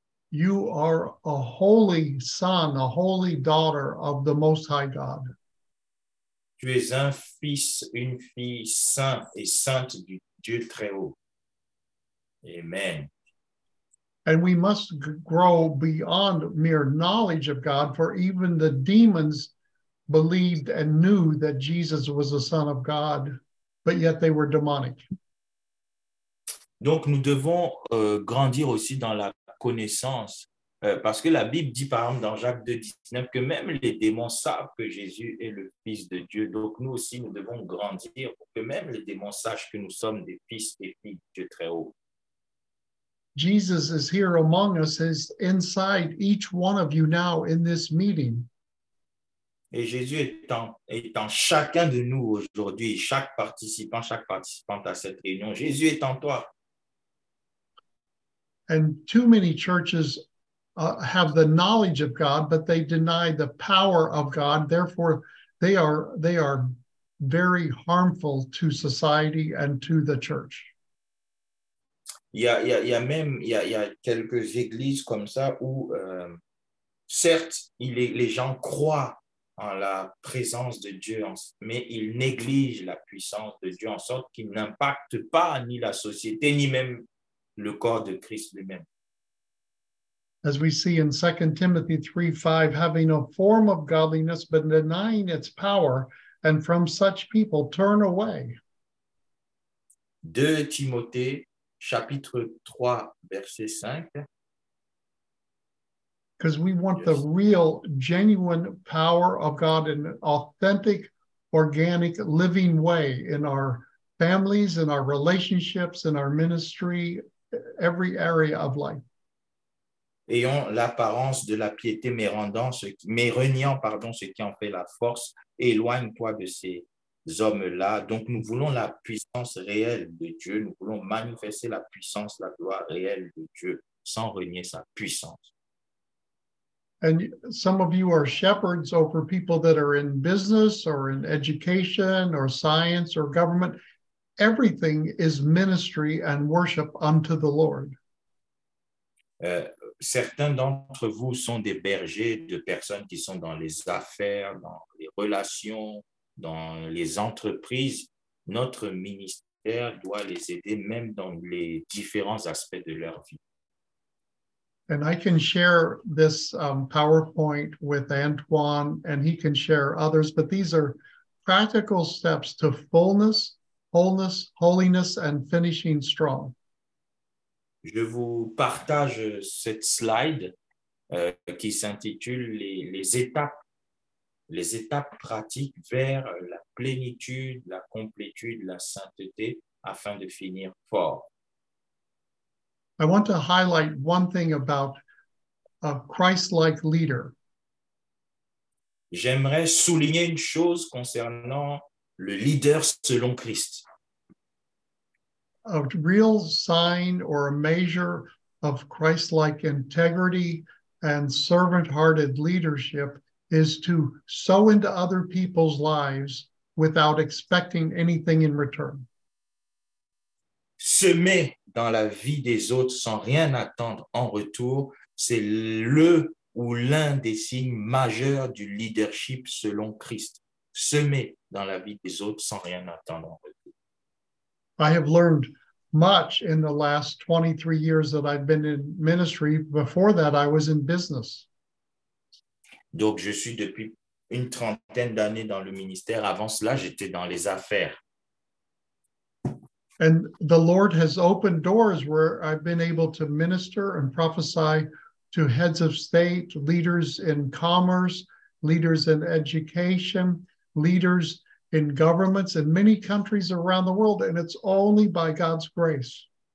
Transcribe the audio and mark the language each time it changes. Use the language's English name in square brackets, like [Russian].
[English] You are a holy son, a holy daughter of the Most High God. [French] Tu es un fils, une fille saint et sainte du Dieu très haut. Amen. [English] And we must grow beyond mere knowledge of God, for even the demons believed and knew that Jesus was the Son of God, but yet they were demonic. [French] Donc nous devons grandir aussi dans la connaissance, parce que la Bible dit par exemple dans Jacques 2:19 que même les démons savent que Jésus est le Fils de Dieu. Donc nous aussi, nous devons grandir pour que même les démons sachent que nous sommes des fils et filles de Dieu très haut. [English] Jesus is here among us, is inside each one of you now in this meeting. [French] Et Jésus est en chacun de nous aujourd'hui, chaque participante à cette réunion. Jésus est en toi. [English] And too many churches have the knowledge of God, but they deny the power of God. Therefore, they are very harmful to society and to the church. [French] Il y a quelques églises comme ça où, certes, les gens croient en la présence de Dieu, mais ils négligent la puissance de Dieu en sorte qu'ils n'impactent pas ni la société ni même le corps de Christ lui-même. [English] As we see in 2 Timothy 3:5, having a form of godliness but denying its power, and from such people turn away. [French] 2 Timothée, chapitre 3, verset 5. [English] Because we want the real, genuine power of God in an authentic, organic, living way in our families, in our relationships, in our ministry, every area of life. [French] Ayant l'apparence de la piété, mais reniant ce qui en fait la force, éloigne-toi de ces hommes-là. Donc, nous voulons la puissance réelle de Dieu. Nous voulons manifester la puissance, la gloire réelle de Dieu, sans renier sa puissance. [English] And some of you are shepherds over people that are in business or in education or science or government. Everything is ministry and worship unto the Lord. [French] Certains d'entre vous sont des bergers de personnes qui sont dans les affaires, dans les relations, dans les entreprises. Notre ministère doit les aider même dans les différents aspects de leur vie. [English] And I can share this PowerPoint with Antoine and he can share others, but these are practical steps to fullness, wholeness, holiness and finishing strong. [French] Je vous partage cette slide qui s'intitule les étapes les étapes pratiques vers la plénitude, la complétude, la sainteté, afin de finir fort. [English] I want to highlight one thing about a Christ-like leader. [French] J'aimerais souligner une chose concernant le leader selon Christ. [English] A real sign or a measure of Christ-like integrity and servant-hearted leadership is to sow into other people's lives without expecting anything in return. [French] Semer dans la vie des autres sans rien attendre en retour, c'est le ou l'un des signes majeurs du leadership selon Christ. Semer dans la vie des autres sans rien attendre en retour. [English] I have learned much in the last 23 years that I've been in ministry. Before that, I was in business. [French] Donc, je suis depuis une trentaine d'années dans le ministère. Avant cela, j'étais dans les affaires. [English] And the Lord has opened doors where I've been able to minister and prophesy to heads of state, leaders in commerce, leaders in education, leaders in governments in many countries around the world, and it's only by God's grace.